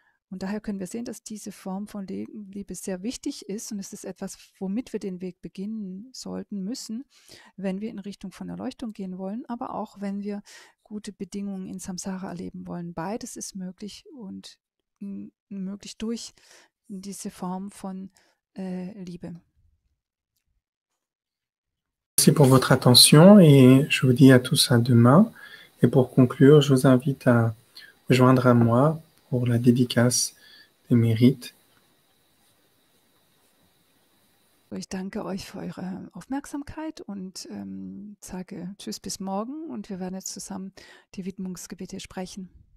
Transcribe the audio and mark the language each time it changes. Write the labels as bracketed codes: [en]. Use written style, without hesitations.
[de] Und daher können wir sehen, dass diese Form von Liebe sehr wichtig ist und es ist etwas, womit wir den Weg beginnen sollten, müssen, wenn wir in Richtung von Erleuchtung gehen wollen, aber auch wenn wir gute Bedingungen in Samsara erleben wollen. Beides ist möglich und möglich durch diese Form von Liebe. [fr] Merci pour votre attention et je vous dis à tous à demain. Et pour conclure, je vous invite à vous joindre à moi pour la dédicace des mérites. [de] Ich danke euch für eure Aufmerksamkeit und sage tschüss bis morgen und wir werden jetzt zusammen die Widmungsgebete sprechen.